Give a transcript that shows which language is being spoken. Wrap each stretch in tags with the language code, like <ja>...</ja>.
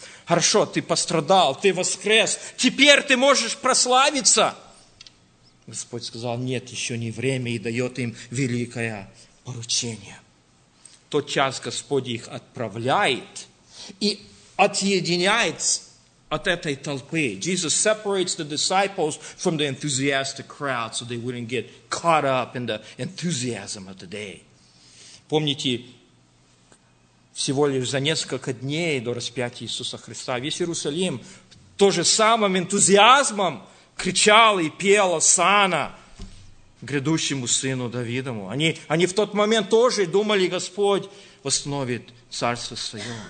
<ru>Хорошо, ты пострадал, ты воскрес, теперь ты можешь прославиться. Господь сказал, нет, еще не время, и дает им великое поручение. В тот час Господь их отправляет и отъединяет от этой толпы.</ru> <en>Jesus separates the disciples from the enthusiastic crowd so they wouldn't get caught up in the enthusiasm of the day.</en> <ru>Помните, всего лишь за несколько дней до распятия Иисуса Христа весь Иерусалим то же самым энтузиазмом кричал и пел «Осанна» грядущему сыну Давидову. Они в тот момент тоже думали, Господь восстановит царство свое.</ru>